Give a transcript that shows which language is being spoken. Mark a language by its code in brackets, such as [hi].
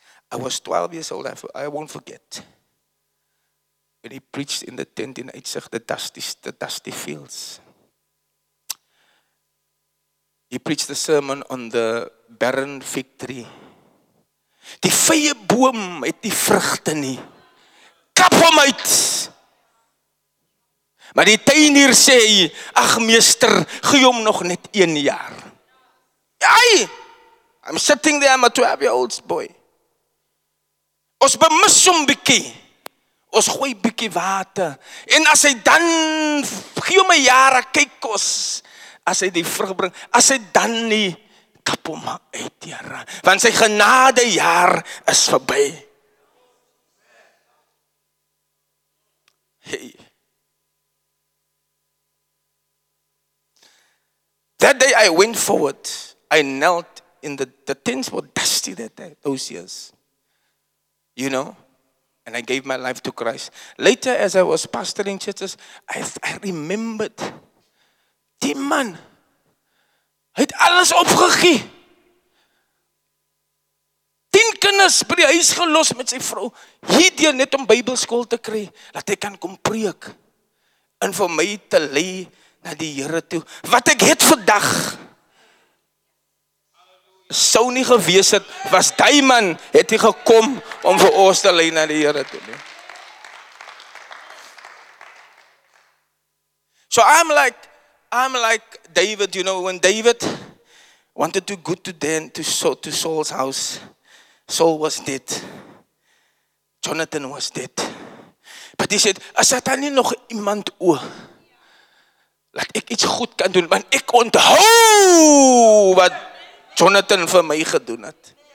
[en] I was 12 years old. I won't forget. When he preached in the tent in Itzach, the dusty fields. He preached a sermon on the barren fig tree. [af] Die vye boom het die vrugte nie. Kap hom uit. Maar die tuinier sê, ag meester, gee hom nog net 1 jaar. Ai! [en] I'm sitting there, I'm a 12-year-old boy. [af] Ons bemis hom bietjie. Ons gooi bietjie water. En as hy dan, gee hom 1 jaar, kyk ons, as hy die vrug bring, as hy dan nie, kap hom uit, Here. Want sy genade jaar is verby. Hey. [en] That day I went forward. I knelt in the tents were dusty that day, those years. You know? And I gave my life to Christ. Later, as I was pastoring churches, I remembered. [af] Die man het alles opgegee. 10 kinders by die huis gelos met sy vrou. Hierdie net om Bybelskool te kry, dat hy kan kom preek. En vir my te lei na die Here toe. Wat ek het vandag, sou nie gewees het, was die man het hy gekom om vir ons te lei na die Here toe. Nie. [en] So I'm like David, you know, when David wanted to go to Dan, to Saul's house, Saul was dead. Jonathan was dead. But he said, [af] as het daar nie nog iemand oor, laat ek iets goed kan doen, want ek onthou wat Jonathan vir my gedoen het.